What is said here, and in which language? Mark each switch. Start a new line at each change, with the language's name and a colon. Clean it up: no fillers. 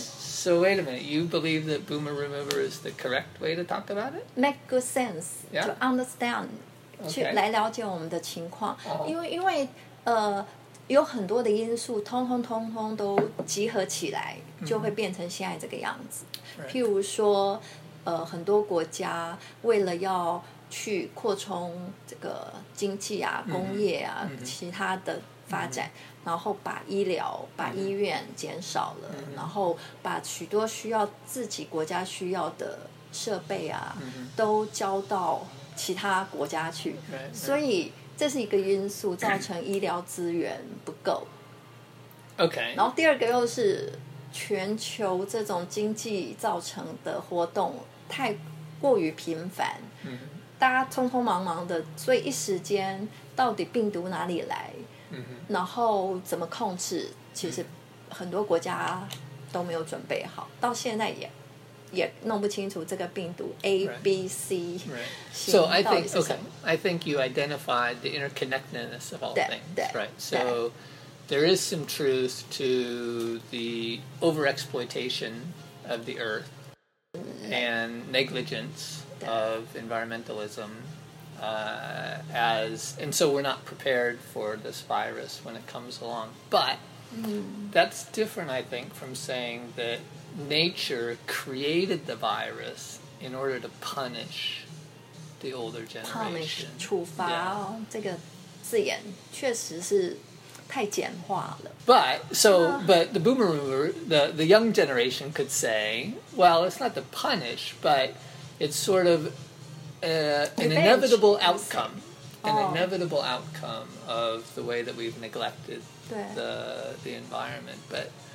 English: So wait a minute, you believe that boomer remover is the correct way to talk about it? Make good sense、 yeah? to understand,、 okay.
Chinese: 去来了解我们的情况。 Oh. 因为、有很多的因素通通都集合起来就会变成现在这个样子、 mm-hmm. 譬如说、很多国家为了要去扩充这个经济啊、mm-hmm. 工业啊、 mm-hmm. 其他的发展、mm-hmm. 然后把医疗把医院减少了、 mm-hmm. 然后把许多需要自己国家需要的设备啊、 mm-hmm. 都交到其他国家去、
English: right.
Chinese: 所以这是一个因素造成医疗资源不够
English: OK
Chinese: 然后第二个又是全球这种经济造成的活动太过于频繁、 mm-hmm. 大家匆匆忙忙的所以一时间到底病毒哪里来、 mm-hmm. 然后怎么控制其实很多国家都没有准备好到现在也弄不清楚这个病毒 A、
English: right.
Chinese: B C、
English: right. So I think okay, I think you identified the interconnectedness of all things, right? So there is some truth to the overexploitation of the earth and negligence of environmentalism、as and so we're not prepared for this virus when it comes along. But、 mm. that's different, I think, from saying that. Nature created the virus in order to punish the older generation. Punish, 处罚、 yeah.
Chinese: 这个字眼确实是太简化了。
English: But the boomer remover, the young generation could say, well, it's not to punish, but it's sort of an inevitable outcome. An inevitable outcome of the way that we've neglected the environment. But...